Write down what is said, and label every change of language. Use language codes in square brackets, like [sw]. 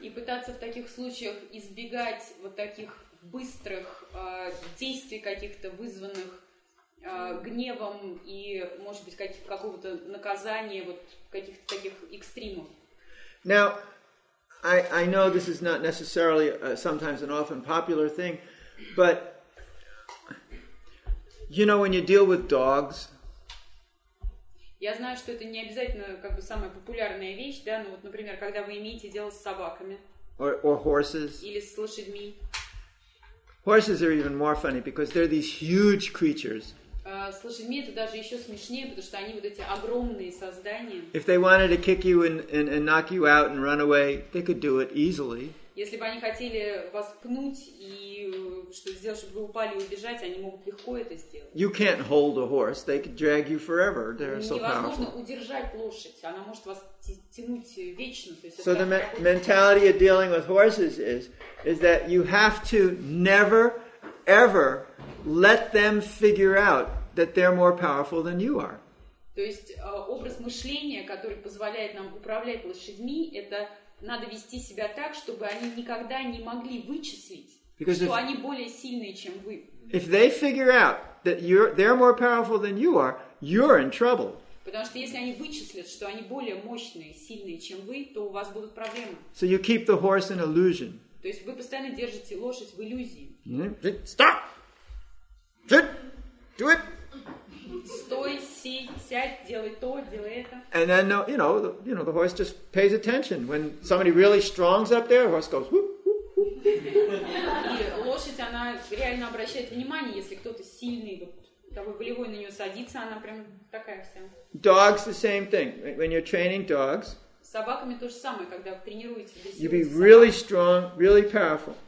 [ru] И пытаться в таких случаях избегать вот таких быстрых действий каких-то вызванных гневом и, может быть, какого-то наказания вот каких-то таких экстримов. [en] Now, I know this is not necessarily sometimes an often popular thing, but you know when you deal with dogs. [ru] Я знаю, что это не обязательно как бы самая популярная вещь, да, но вот, например, когда вы имеете дело с собаками. [en] Or horses. [ru] Или с лошадьми. [en] Horses are even more funny because they're these huge creatures. [ru] С лошадьми это даже еще смешнее, потому что они вот эти огромные создания. [en] If they wanted to kick you and knock you out and run away, they could do it easily. [ru] Если бы они хотели вас пнуть и что сделать, чтобы вы упали и убежать, они могут легко это сделать. [en] You can't hold a horse. They could drag you forever. They're so powerful. [ru] Невозможно удержать лошадь. Она может вас тянуть вечно. [en] So the mentality of dealing with horses is that you have to never, ever let them figure out that they're more powerful than you are. [ru] То есть образ мышления, который позволяет нам управлять лошадьми, это надо вести себя так, чтобы они никогда не могли вычислить, [en] because [ru] что [en] if, [ru] они более сильные, чем вы. [en] If they figure out that they're more powerful than you are, you're in trouble. [ru] Потому что если они вычислят, что они более мощные, сильные, чем вы, то у вас будут проблемы. [en] So you keep the horse in illusion. [ru] То есть вы постоянно держите лошадь в иллюзии. [en] Mm-hmm. Stop! Sit! Do it! [ru] Стой, сядь, делай то, делай это. [en] And then, you know, the horse just pays attention. When somebody really strong's up there, the horse goes whoop, whoop, whoop. [ru] И лошадь, она реально обращает внимание, если кто-то сильный, такой волевой на нее садится, она прям такая вся. [en] Dogs the same thing. When you're training dogs, [ru] с собаками то же самое, когда тренируете. [en] You be really strong, really powerful.